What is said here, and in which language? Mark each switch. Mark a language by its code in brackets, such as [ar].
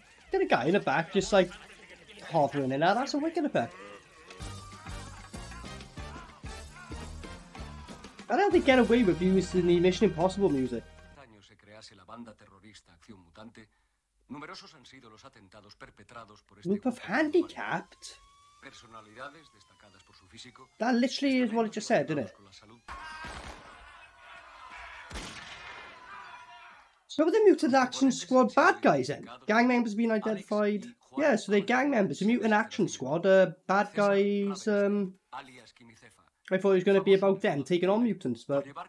[en] Get a guy in the back, just like hovering in there. That's a wicked effect. I don't think get away with using the Mission Impossible music. [es] Se crease la banda terrorista Acción Mutante. Numerosos han sido los atentados perpetrados por este grupo handicapped. Personalidades destacadas por su físico. [en] That literally is what it just said, didn't it? So the Mutant Action Squad bad guys then? Gang members being identified? Yeah, so they're gang members. The Mutant Action Squad, bad guys, I thought it was going to be about them taking on mutants, but...